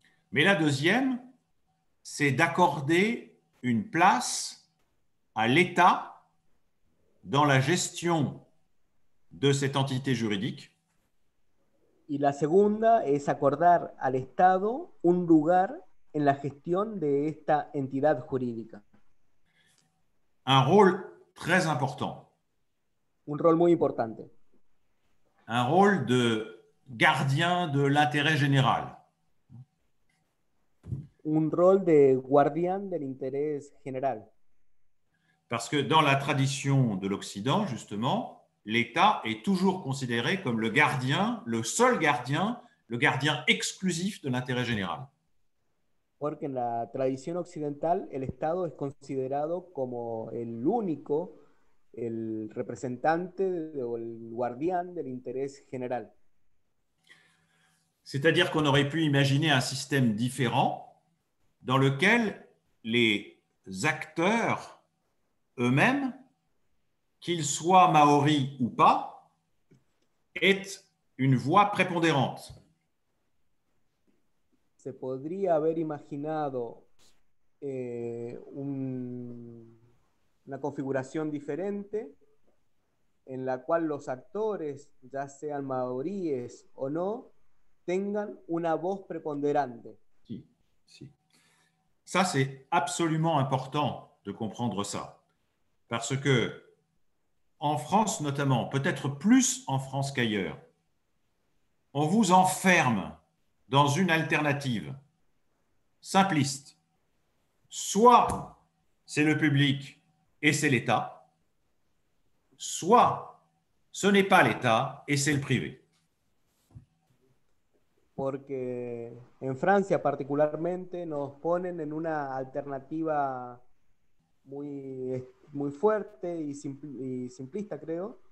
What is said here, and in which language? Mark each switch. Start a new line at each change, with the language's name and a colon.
French: Mais la deuxième, c'est d'accorder une place à l'État dans la gestion de cette entité juridique.
Spanish: Y la segunda es acordar al Estado un lugar en la gestión de esta entidad jurídica.
French: Un rôle très important.
Spanish: Un rol muy importante.
French: Un rôle de gardien de l'intérêt général.
Spanish: Un rol de guardián del interés general.
French: Parce que dans la tradition de l'Occident, justement, l'État est toujours considéré comme le gardien, le seul gardien, le gardien exclusif de l'intérêt général.
Spanish: Porque en la tradición occidental el Estado es considerado como el único, el representante o el guardián del interés general.
French: C'est-à-dire qu'on aurait pu imaginer un système différent dans lequel les acteurs eux-mêmes, qu'ils soient maoris ou pas, aient une voix prépondérante.
Spanish: Se podría haber imaginado una configuración diferente en la cual los actores, ya sean maoríes o no, tengan una voz preponderante. Sí, sí.
French: Ça, c'est absolument important de comprendre ça. Parce que, en France notamment, peut-être plus en France qu'ailleurs, on vous enferme dans une alternative simpliste. Soit c'est le public et c'est l'État, soit ce n'est pas l'État et c'est le privé.
Spanish: Porque en Francia particularmente nos ponen en una alternativa muy, muy fuerte y, simplista, creo.